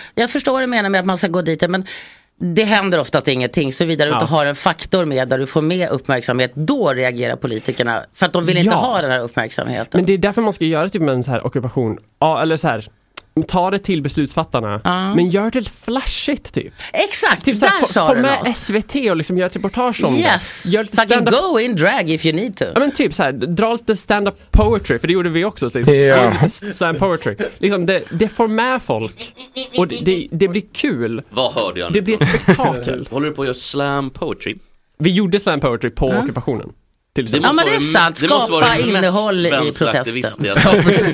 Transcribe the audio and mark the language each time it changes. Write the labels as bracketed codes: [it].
[sv] Jag förstår det menar med att man ska gå dit, men det händer ofta att ingenting, så vidare du inte har en faktor med där du får mer uppmärksamhet, då reagerar politikerna för att de vill inte ha den här uppmärksamheten. Men det är därför man ska göra typ med en så här ockupation eller så här, ta det till beslutsfattarna, men gör det flashigt typ. Exakt, typ så här, där sa du med SVT och liksom gör ett reportage om det. [en] Yes, go in drag if you need to. [sv] Ja, men typ så här, dra lite stand-up poetry, för det gjorde vi också. Liksom. Stand-up poetry. Liksom, det får med folk, och det blir kul. Vad hörde jag nu? Det blir ett spektakel. Håller du på att göra slam poetry? Vi gjorde slam poetry på ockupationen. Ja, men det är sant, skapa innehåll i protesten.